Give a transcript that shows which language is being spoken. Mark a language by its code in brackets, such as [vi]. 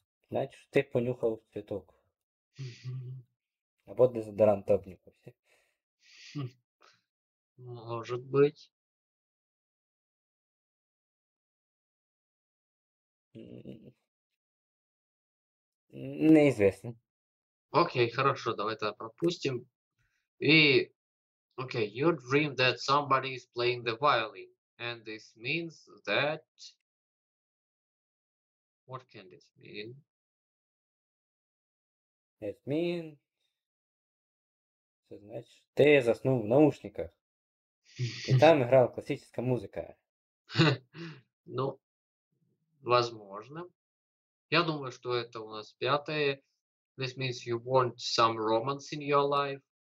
[ru] Значит, ты понюхал цветок. А вот дезодорант обнюхался. Может быть. Неизвестно. Окей, хорошо, давай это пропустим. И, окей, [en] you dream that somebody is playing the violin. And this means that... What can this mean? It means... [ru] Значит, ты заснул в наушниках. И там играла классическая музыка. Ну, возможно. Я думаю, что это у нас пятое. [en] This means you want some romance in your life.